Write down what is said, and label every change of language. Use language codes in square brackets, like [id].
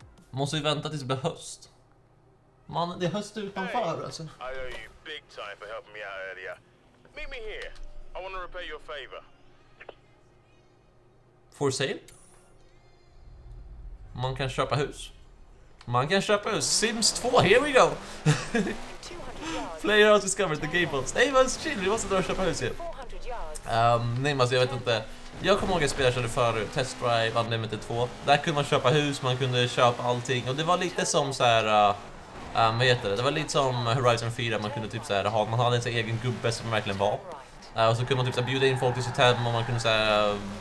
[sv] Måste vi vänta tills det blir höst? Man, det är höst utanför alltså. [en] I owe you big time for helping me out earlier. Meet me here. I want to repay your favor. For sale? [sv] Man kan köpa hus. Man kan köpa hus. Sims 2, [en] here we go! Player has discovered the gables. [sv] Nej, vad chill, vi måste dra och köpa hus igen. Nej, alltså jag vet inte. Jag kommer ihåg att spela körde förut, Test Drive Unlimited 2. Där kunde man köpa hus, man kunde köpa allting. Och det var lite som så här. Vad heter det? Det var lite som Horizon 4. Man kunde typ så här, man hade en sån egen gubbe som man verkligen var. Och så kunde man typ så här, bjuda in folk till sitt hem och man kunde säga.